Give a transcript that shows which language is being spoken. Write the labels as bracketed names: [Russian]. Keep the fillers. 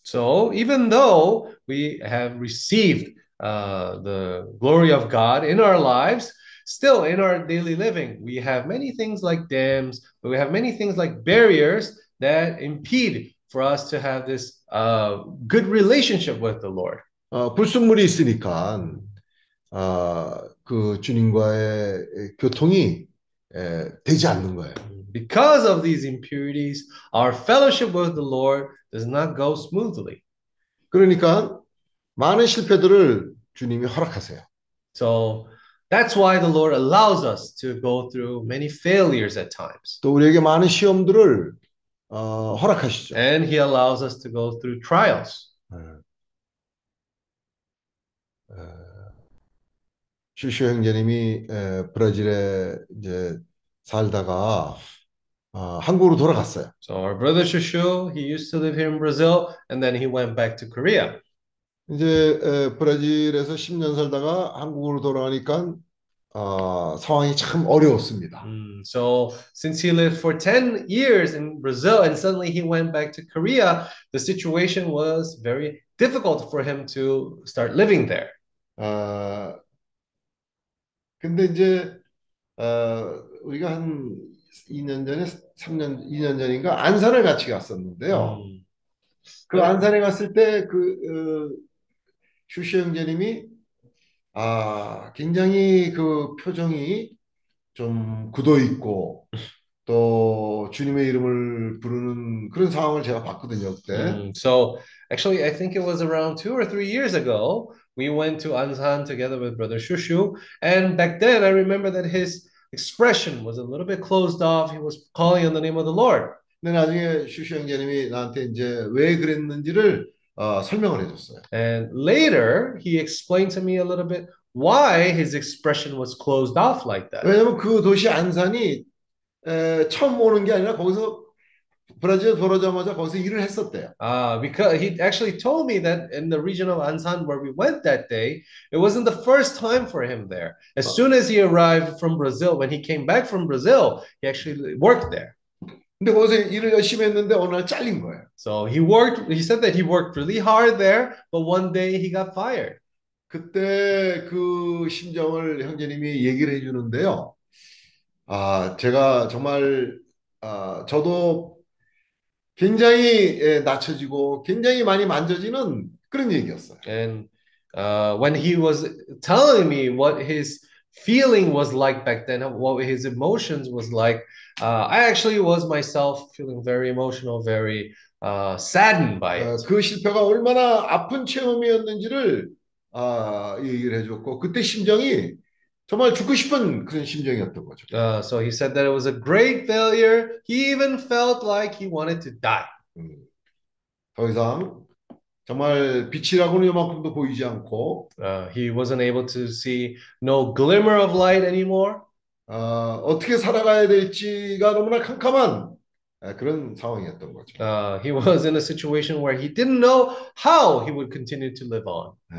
[English] So even though we have received uh, the glory of God in our lives, Still, in our daily living, we have many things like dams, but we have many things like barriers that impede for us to have this uh, good relationship with the Lord. [Korean] Uh, 불순물이 있으니까 아, uh, 그 주님과의 교통이 에, 되지 않는 거예요. [English] Because of these impurities, our fellowship with the Lord does not go smoothly. [Korean] 그러니까 많은 실패들을 주님이 허락하세요. [English] So That's why the Lord allows us to go through many failures at times. [Korean] 또 우리에게 많은 시험들을 어, 허락하시죠. [English] And He allows us to go through trials. [Korean] 슈슈 형제님이 브라질에 이제 살다가 한국으로 돌아갔어요. [English] So our brother Shushu, he used to live here in Brazil, and then he went back to Korea. [Korean] 이제 브라질에서 10년 살다가 한국으로 돌아오니까 어, 상황이 참 어려웠습니다. [English] Mm, so since he lived for 10 years in Brazil and suddenly he went back to Korea, the situation was very difficult for him to start living there. [Korean] 아 어, 근데 이제 어, 우리가 한 2년 전에 3년 2년 전인가 안산을 같이 갔었는데요. Mm. 그 안산에 갔을 때그 어, 슈슈 형제님이 아 굉장히 그 표정이 좀 굳어 있고 또 주님의 이름을 부르는 그런 상황을 제가 봤거든요 그때. Mm. [English] So actually, I think it was around two or three years ago we went to Ansan together with Brother Shushu, and back then I remember that his expression was a little bit closed off. He was calling on the name of the Lord. [Korean] 근데 나중에 슈슈 형제님이 나한테 이제 왜 그랬는지를 [English] Uh, and later he explained to me a little bit why his expression was closed off like that. [Korean] 왜냐면 그 도시 안산이 에, 처음 오는 게 아니라 거기서 브라질에 돌아자마자 거기서 일을 했었대요. [English] 아, uh, because he actually told me that in the region of Ansan where we went that day, it wasn't the first time for him there. As uh, soon as he arrived from Brazil, when he came back from Brazil, he actually worked there. [Korean] 근데 거기서 일을 열심히 했는데 어느 날 잘린 거예요. [English] So he worked. He said that he worked really hard there, but one day he got fired. [Korean] 그때 그 심정을 형제님이 얘기를 해주는데요. 아 제가 정말 아 저도 굉장히 예, 낮춰지고 굉장히 많이 만져지는 그런 얘기였어요. [English] And uh, when he was telling me what his feeling was like back then what his emotions was like uh, i actually was myself feeling very emotional very uh, saddened by uh, so he said that it was a great failure. He even felt like he wanted to die. 음, [Korean] 더 이상 정말 빛이라고는 이만큼도 보이지 않고 [English] h e wasn't able to see no glimmer of light anymore. [Korean] 어, 떻게 살아가야 될지가 너무나 캄캄한 그런 상황이었던 거죠. [English] h e was in a situation where he didn't know how he would continue to live on.